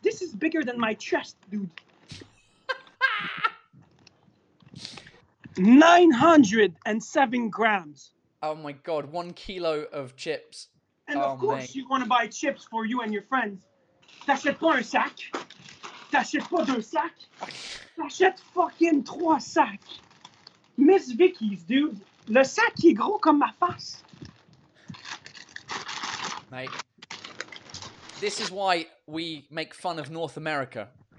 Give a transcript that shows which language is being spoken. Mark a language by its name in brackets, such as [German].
[English] This is bigger than my chest, dude. 907 grams. Oh, my God. 1 kilo of chips. And, oh, of course, mate. You want to buy chips for you and your friends. [French] T'achètes pas un sac. T'achètes pas deux sacs. T'achètes fucking trois sacs. Miss Vicky's, dude. Le sac qui est gros comme ma face. [English] Mate. This is why we make fun of North America.